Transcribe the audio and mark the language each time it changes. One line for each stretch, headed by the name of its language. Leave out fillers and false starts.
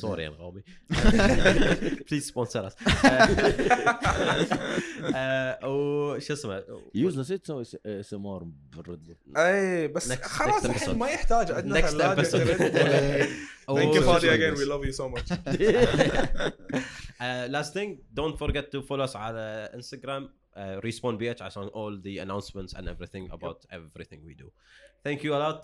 English: sorry أنغامي please sponsor us
Arabic: وش اسمه use نسيت سوي سمار برد أي بس خلاص ما يحتاج عندنا
English: next episode thank you Fadi again we love you so much last thing, don't forget to follow us on Instagram, RespawnBH, on all the announcements and everything about everything we do. Thank you a lot.